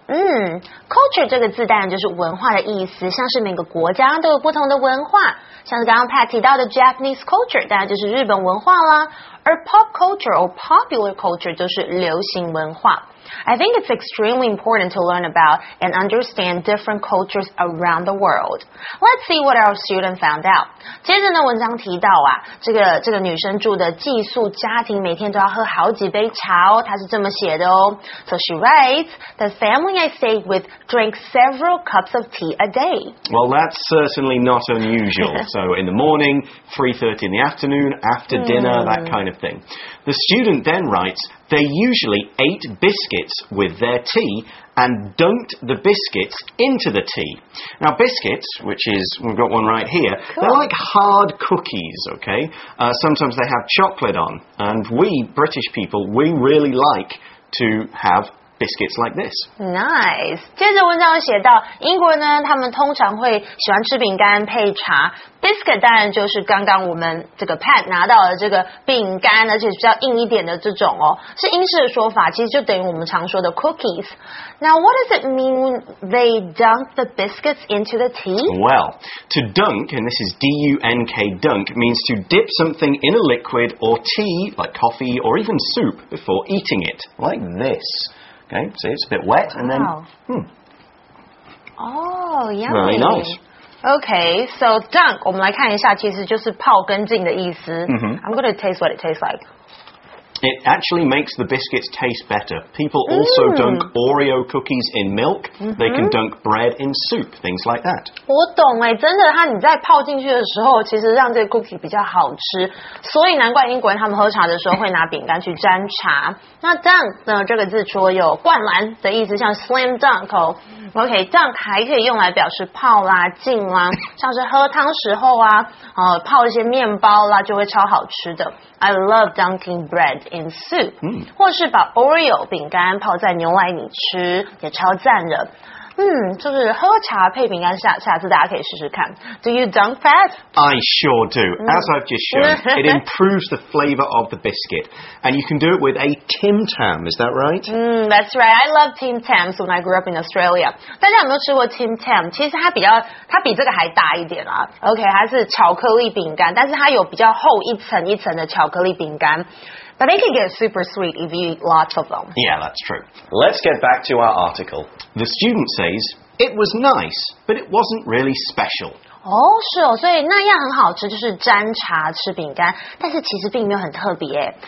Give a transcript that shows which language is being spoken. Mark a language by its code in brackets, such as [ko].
[zh] Culture 这个字当然就是文化的意思，像是每个国家都有不同的文化，像是刚刚 Pat 提到的 Japanese culture 当然就是日本文化啦，而 pop culture or popular culture 就是流行文化。 [en] I think it's extremely important to learn about and understand different cultures around the world. Let's see what our student found out. [zh] 接着呢，文章提到啊，这个女生住的寄宿家庭每天都要喝好几杯茶哦，她是这么写的哦。 [en] So she writes, the family I stayed withdrink several cups of tea a day. Well, that's certainly not unusual. So in the morning, 3:30 in the afternoon, after dinner, that kind of thing. The student then writes, they usually ate biscuits with their tea and dunked the biscuits into the tea. Now, biscuits, which is, we've got one right here, they're like hard cookies, okay? Sometimes they have chocolate on. And we, British people, we really like to havebiscuits like this. Nice. [zh] 接着文章写到，英国呢，他们通常会喜欢吃饼干配茶。 Biscuit 当然就是刚刚我们这个 Pat 拿到的这个饼干，而且比较硬一点的这种哦，是英式的说法，其实就等于我们常说的 cookies. [en] Now, what does it mean they dunk the biscuits into the tea? Well, to dunk, and this is D-U-N-K, dunk, means to dip something in a liquid or tea, like coffee or even soup, before eating it, like this. Okay, see, it's a bit wet, and then... Oh, yummy. Very nice. Okay, so [zh] dunk, 我们来看一下其实就是泡根茎的意思。 Mm-hmm. [en] I'm going to taste what it tastes like. It actually makes the biscuits taste better. People also dunk Oreo cookies in milk. Mm-hmm. They can dunk bread in soup, things like that. [zh] 我懂耶，真的，它你在泡进去的时候其实让这个 cookie 比较好吃。所以难怪英国人他们喝茶的时候会拿饼干去沾茶。那 dunk 呢，这个字除了有灌篮的意思，像 slam dunk 哦。 OK, dunk 还可以用来表示泡啦、浸啦，像是喝汤时候啊，泡一些面包啦，就会超好吃的。 [en] I love dunking bread in soup. [zh] 或是把 Oreo 饼干泡在牛奶里吃，也超赞的。就是喝茶配饼干，下次大家可以试试看。 [en] Do you dunk that? I sure do. As I've just shown, it improves the flavor of the biscuit. And you can do it with a Tim Tam, is that right? That's right. I love Tim Tams when I grew up in Australia. [zh] 大家有没有吃过 Tim Tam? 其实它比这个还大一点啦。OK, 它是巧克力饼干，但是它有比较厚一层一层的巧克力饼干。 [en] But they can get super sweet if you eat lots of them. Yeah, that's true. Let's get back to our article. The student says, it was nice, but it wasn't really special. [zh] Oh, 是哦，所以那样很好吃，就是沾茶吃饼干，但是其实并没有很特别。